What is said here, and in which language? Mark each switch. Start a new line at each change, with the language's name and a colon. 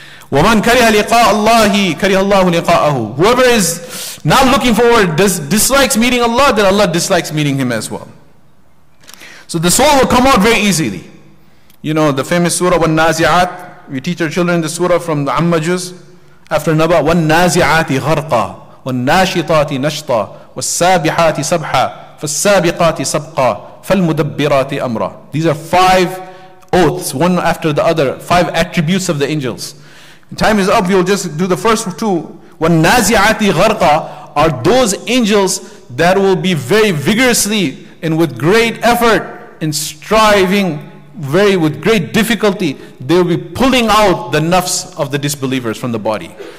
Arabic: وَمَنْ كَرِهَ لِقَاءَ اللَّهِ كَرِهَ اللَّهُ لِقَاءَهُ.
English: Whoever is not looking forward, dislikes meeting Allah, then Allah dislikes meeting him as well. So the soul will come out very easily. You know, the famous surah, وَالنَّازِعَاتِ. We teach our children the surah from the Ammajus. After Naba,
Arabic: وَالنَّازِعَاتِ غَرْقَى وَالنَّاشِطَاتِ نَشْطَى وَالسَّابِحَاتِ سَبْحَى فَالسَّابِقَاتِ سَبْقَى فَالْمُدَبِّرَاتِ أَمْرَى.
English: These are five oaths, one after the other, five attributes of the angels. Time is up, we'll just do the first two.
Arabic: وَالنَّازِعَاتِ غَرْقَى
English: are those angels that will be very vigorously and with great effort and striving very with great difficulty, they will be pulling out the nafs of the disbelievers from the body.